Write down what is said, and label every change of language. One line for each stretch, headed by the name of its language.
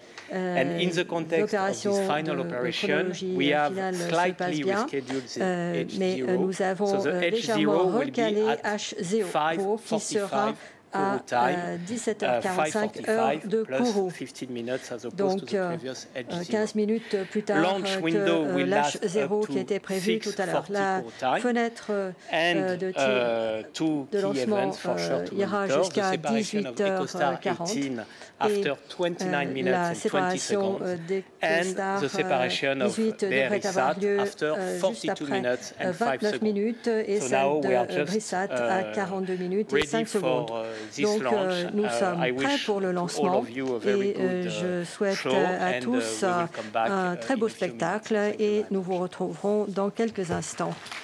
French: Les opérations de chronologie finale se passent bien, mais nous avons légèrement recalé H0 Pro qui sera à 17h45 heure de Kourou. Donc 15 minutes plus tard que l'H0 qui était prévu tout à l'heure. La fenêtre de tir de lancement ira jusqu'à 18h40.
English: After 29 minutes and 20 seconds, and the separation of BRISAT after 42 minutes and 5 seconds. So now we are just ready for this launch.
French: Nous sommes prêts pour le lancement et je souhaite à tous un très beau spectacle et nous vous retrouverons dans quelques instants.